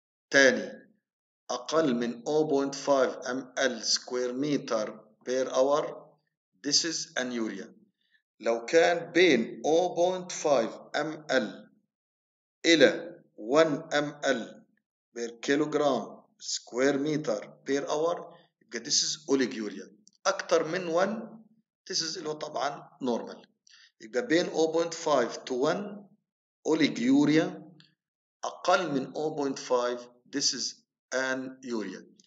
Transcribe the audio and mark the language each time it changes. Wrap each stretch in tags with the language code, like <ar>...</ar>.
<ar>تاني أقل من</ar> <en>0.5 ml square meter per hour, this is anuria.</en> <ar>لو كان بين</ar> <en>0.5 ml الى 1 ml per kilogram square meter per hour يبقى this is oliguria.</en> <ar>اكثر من 1</ar> <en>this is</en> <ar>اللي هو طبعا normal. يبقى بين</ar> <en>0.5 to 1</en> <ar>oliguria، اقل من 0.5 this is anuria.</ar>